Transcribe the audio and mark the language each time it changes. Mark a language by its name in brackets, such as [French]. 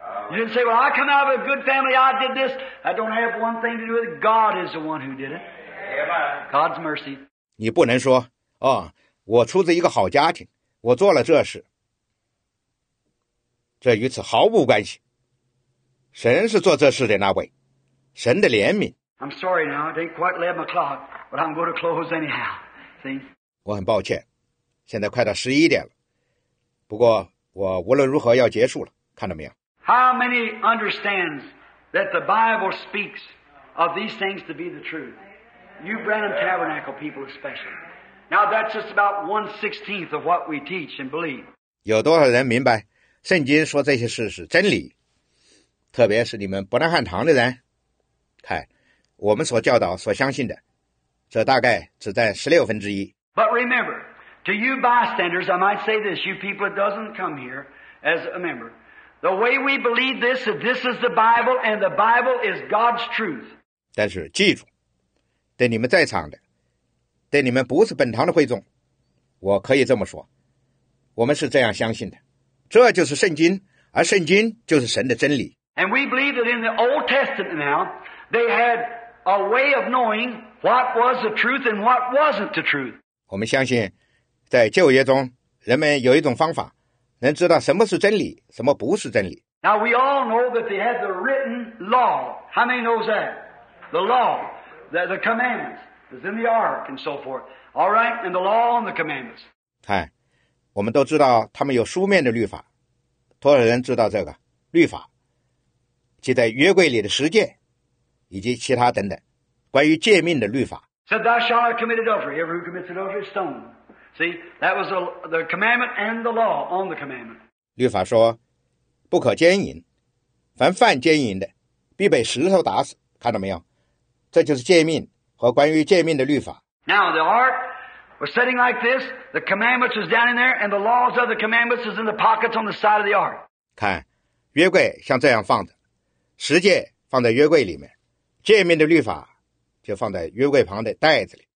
[English] You didn't say, well, I come out of a good family, I did this. I don't have one thing to do with it. God is the one who did it. God's mercy. [Chinese] 你不能说，哦，我出自一个好家庭，我做了这事。这与此毫无关系。神是做这事的那位，神的怜悯。 [English] I'm sorry now, it ain't quite 11 o'clock, but I'm going to close anyhow. See? [Chinese] 我很抱歉，现在快到11点了。不过我无论如何要结束了，看到没有？ [English] How many understands that the Bible speaks of these things to be the truth? You Branham Tabernacle people especially. Now that's just about 1/16 of what we teach and believe. [Chinese] 有多少人明白圣经说这些事是真理，特别是你们伯拉罕堂的人，看我们所教导所相信的，这大概只占1/16。 [English] But remember, to you bystanders, I might say this, you people that doesn't come here as a member, the way we believe this, that this is the Bible and the Bible is God's truth. [Chinese] 但是记住，对你们在场的，对你们不是本堂的会众，我可以这么说，我们是这样相信的，这就是圣经，而圣经就是神的真理。 [English] And we believe that in the Old Testament now, they had a way of knowing what was the truth and what wasn't the truth. [Chinese] 我们相信在旧约中，人们有一种方法，能知道什么是真理，什么不是真理。 [English] Now we all know that they had the written law. How many knows that? The law, the commandments, is in the ark and so forth. All right, and the law and the commandments. [Chinese] 哎，我们都知道他们有书面的律法，多少人知道这个律法，记在约柜里的十诫，以及其他等等关于诫命的律法。 [English] So thou shalt not commit adultery. Everyone who commits adultery is stoned. See, that was the commandment and the law on the commandment. [Chinese] 律法说，不可奸淫，凡犯奸淫的，必被石头打死。看到没有？这就是诫命和关于诫命的律法。 [English] Now the ark was sitting like this. The commandments was down in there, and the laws of the commandments was in the pockets on the side of the ark. [Chinese] 看，约柜像这样放着。十诫放在约柜里面，诫命的律法就放在约柜旁的袋子里。